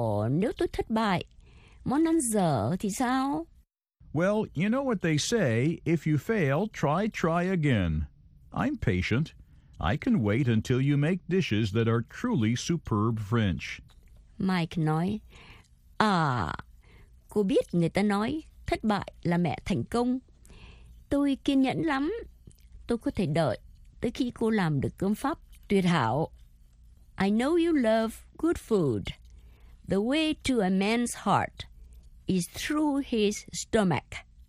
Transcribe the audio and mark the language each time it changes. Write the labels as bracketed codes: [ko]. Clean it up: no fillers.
[vi] Nếu tôi thất bại, món ăn dở thì sao? [en] Well, you know what they say, if you fail, try again. I'm patient. I can wait until you make dishes that are truly superb French. [vi] Mike nói, cô biết người ta nói, thất bại là mẹ thành công. Tôi kiên nhẫn lắm. Tôi có thể đợi tới khi cô làm được cơm Pháp tuyệt hảo. [en] I know you love good food. The way to a man's heart is through his stomach.